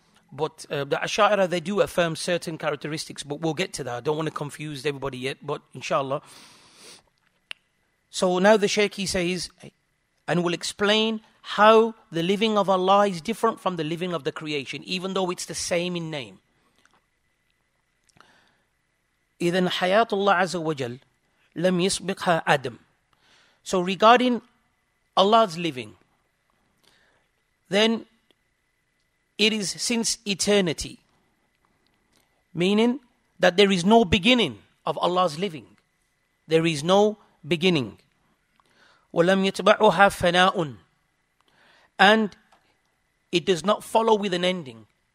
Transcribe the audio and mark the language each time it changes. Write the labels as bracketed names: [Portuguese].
[English] But the Asha'ira, they do affirm certain characteristics, but we'll get to that. I don't want to confuse everybody yet, but inshallah. So now the Shaykh, he says, and will explain how the living of Allah is different from the living of the creation, even though it's the same in name. [Arabic] إِذَنْ حَيَاتُ اللَّهِ عَزَّ وَجَلْ لَمْ يَسْبِقْهَا Adam. [English] So regarding Allah's living, then it is since eternity, meaning that there is no beginning of Allah's living. There is no beginning. [Arabic] وَلَمْ يَتْبَعُهَا فَنَاءٌ, [English] and it does not follow with an ending.